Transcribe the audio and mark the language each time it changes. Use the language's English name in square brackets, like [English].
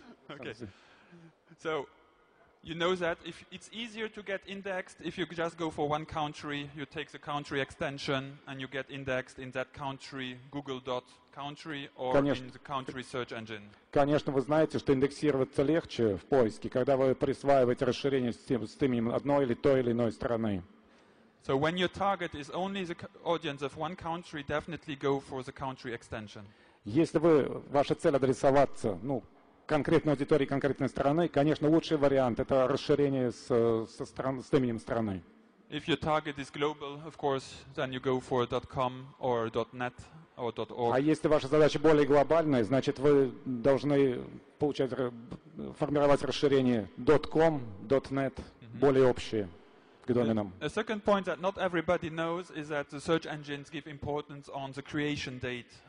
[English] Okay. So. You know that if it's easier to get indexed if you just go for one country, you take the country extension and you get indexed in that country, google.country or [Russian] конечно, [English] in the country search engine. [Russian] Конечно, вы знаете, что индексироваться легче в поиске, когда вы присваиваете расширение с именем одной или той или иной страны. [English] So when your target is only the audience of one country, definitely go for the country extension. [Russian] Если вы ваша цель адресоваться, ну, конкретной аудитории конкретной страны, конечно, лучший вариант это расширение с именем страны. [English] If your target is global, of course, then you go for .com or .net or .org. [Russian] А если ваша задача более глобальная, значит, вы должны получать, формировать расширение .com, .net, mm-hmm. более общее к доменам. [English] A second point that not everybody knows is that the search engines give importance on the creation date.